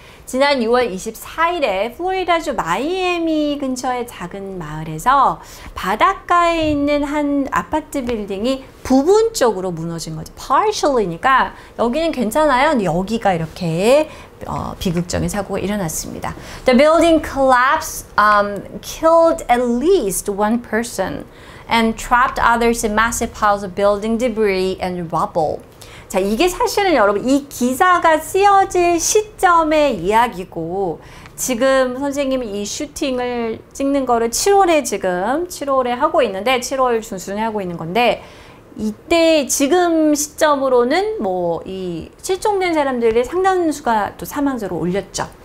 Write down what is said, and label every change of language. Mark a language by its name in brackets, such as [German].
[Korean] 지난 6월 24일에 플로리다주 마이애미 근처의 작은 마을에서 바닷가에 있는 한 아파트 빌딩이 부분적으로 무너진 거죠. Partially니까 여기는 괜찮아요. 여기가 이렇게 비극적인 사고가 일어났습니다. [English] The building collapsed killed at least one person and trapped others in massive piles of building debris and rubble. [Korean] 자, 이게 사실은 여러분 이 기사가 쓰여질 시점의 이야기고 지금 선생님이 이 슈팅을 찍는 거를 7월에 하고 있는데 7월 중순에 하고 있는 건데 이때 지금 시점으로는 뭐 이 실종된 사람들이 상당수가 또 사망자로 올렸죠.